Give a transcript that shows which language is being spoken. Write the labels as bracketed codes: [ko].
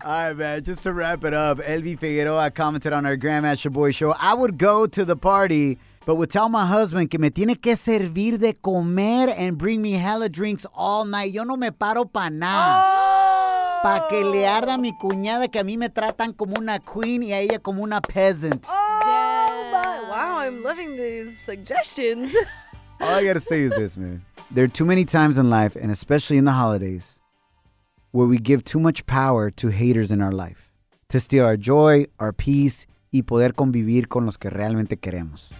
[en] All right, man, just to wrap it up, Elvi Figueroa commented on our Gram at Shaboy Show, I would go to the party, but would tell my husband [es] que me tiene que servir de comer [en] and bring me hella drinks all night. [es] Yo no me paro pa' nada. [en] Oh. [es] Pa' que le arda a mi cuñada que a mí me tratan como una queen y a ella como una peasant. [en] Oh, wow, I'm loving these suggestions. All I gotta say is this, man. There are too many times in life, and especially in the holidays, where we give too much power to haters in our life to steal our joy, our peace, [es] y poder convivir con los que realmente queremos.